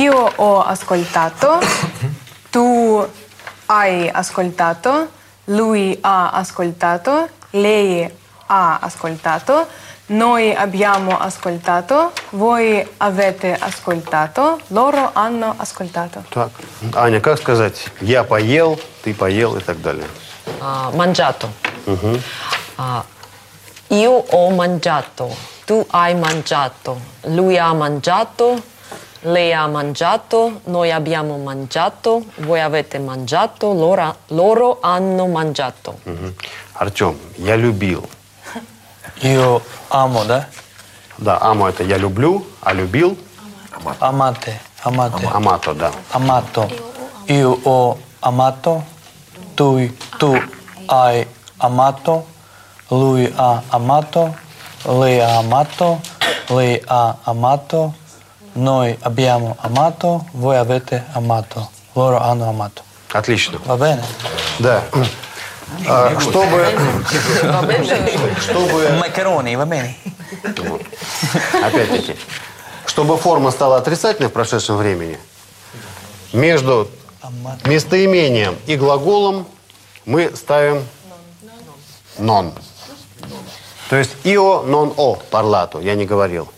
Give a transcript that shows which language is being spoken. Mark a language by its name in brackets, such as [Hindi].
[Italian] Io ho ascoltato, tu hai ascoltato, lui ha ascoltato, lei ha ascoltato, noi abbiamo ascoltato, voi avete ascoltato, loro hanno ascoltato. [Russian] Так, Аня, как сказать? Я поел, ты поел и так далее. [Italian] Mangiato. Io ho mangiato. Tu hai mangiato, lui ha mangiato, lei ha mangiato, noi abbiamo mangiato, voi avete mangiato, loro hanno mangiato. [Russian] Uh-huh. Артем, я любил. [Italian] Io amo, да? [Russian] Да, amo – это я люблю, а любил? [Italian] Amate. Amate. Amato, да. Amato. Io ho amato, tu hai amato, lui ha amato. Lei ha amato, noi abbiamo amato, voi avete amato, loro hanno amato. [Russian] Отлично. [Italian] Va bene? [Russian] Да. Чтобы... чтобы... [Italian] Макароны, va bene? [Russian] Опять-таки. Чтобы форма стала отрицательной в прошедшем времени, между местоимением и глаголом мы ставим non. То есть [Italian] «io non ho parlato» [Russian] – я не говорил.